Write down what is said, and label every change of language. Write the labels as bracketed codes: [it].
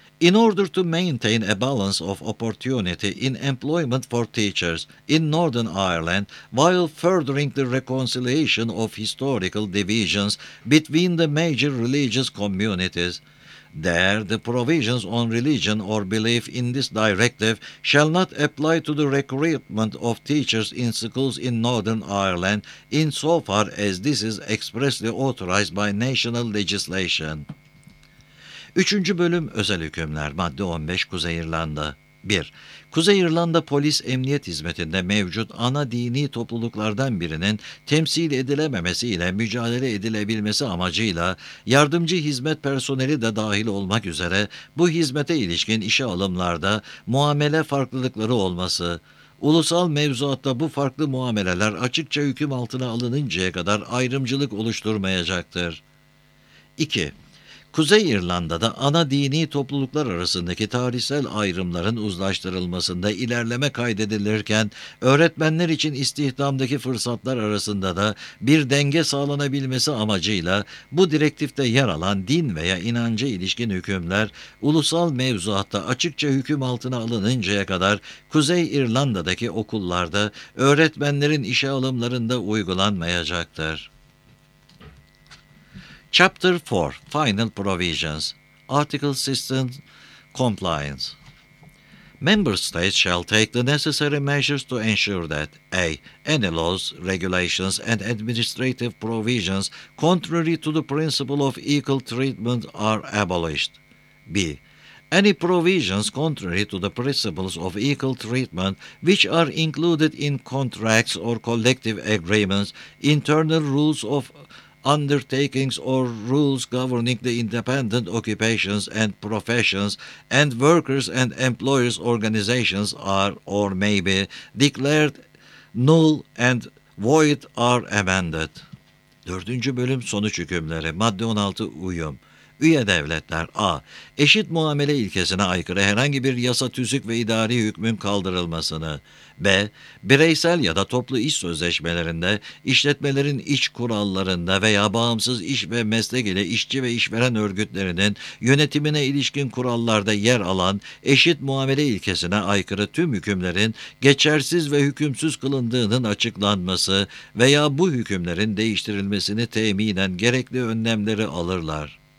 [en] In order to maintain a balance of opportunity in employment for teachers in Northern Ireland while furthering the reconciliation of historical divisions between the major religious communities, There, the provisions on religion or belief in this directive shall not apply to the recruitment of teachers in schools in Northern Ireland, insofar as this is expressly authorized by national legislation. [tr] 3. Bölüm Özel Hükümler Madde 15 Kuzey İrlanda 1. Kuzey İrlanda Polis Emniyet Hizmeti'nde mevcut ana dini topluluklardan birinin temsil edilememesi ile mücadele edilebilmesi amacıyla yardımcı hizmet personeli de dahil olmak üzere bu hizmete ilişkin işe alımlarda muamele farklılıkları olması, ulusal mevzuatta bu farklı muameleler açıkça hüküm altına alınıncaya kadar ayrımcılık oluşturmayacaktır. 2. Kuzey İrlanda'da ana dini topluluklar arasındaki tarihsel ayrımların uzlaştırılmasında ilerleme kaydedilirken, öğretmenler için istihdamdaki fırsatlar arasında da bir denge sağlanabilmesi amacıyla bu direktifte yer alan din veya inanca ilişkin hükümler, ulusal mevzuatta açıkça hüküm altına alınıncaya kadar Kuzey İrlanda'daki okullarda öğretmenlerin işe alımlarında uygulanmayacaktır. [en] Chapter 4 Final Provisions Article System Compliance Member states shall take the necessary measures to ensure that A. any laws, regulations and administrative provisions contrary to the principle of equal treatment are abolished. B. any provisions contrary to the principles of equal treatment which are included in contracts or collective agreements, internal rules of undertakings or rules governing the independent occupations and professions and workers and employers organizations are or may be declared null and void are amended. [tr] 4. Bölüm Sonuç Hükümleri Madde 16 Uyum Üye devletler A. Eşit muamele ilkesine aykırı herhangi bir yasa tüzük ve idari hükmün kaldırılmasını. B. Bireysel ya da toplu iş sözleşmelerinde, işletmelerin iç kurallarında veya bağımsız iş ve meslek ile işçi ve işveren örgütlerinin yönetimine ilişkin kurallarda yer alan eşit muamele ilkesine aykırı tüm hükümlerin geçersiz ve hükümsüz kılındığının açıklanması veya bu hükümlerin değiştirilmesini teminen gerekli önlemleri alırlar.